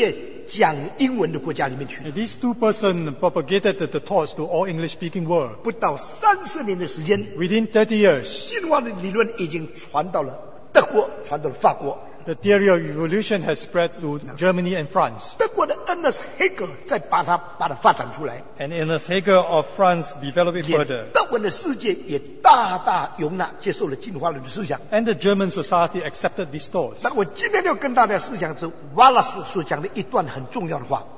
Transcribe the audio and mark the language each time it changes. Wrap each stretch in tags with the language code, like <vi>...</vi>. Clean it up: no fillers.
<zh>进化的思想就推演到全世界讲英文的国家里面去。</zh> <en>These two persons propagated the thoughts to all English-speaking world.</en> <zh>不到30年的时间,</zh> <en>within 30 years,</en> <zh>进化的理论已经传到了德国，传到了法国。</zh> <en>The theory of evolution has spread to Germany and France.</en> <zh>德国的恩斯·黑格再把它发展出来。</zh> <en>And Ernest Haeckel of France developed it further.</en> <zh>德文的世界也大大容纳接受了进化论的思想。</zh> <en>And the German society accepted these thoughts.</en> <zh>那我今天要跟大家思想是 Wallace 所讲的一段很重要的话。</zh>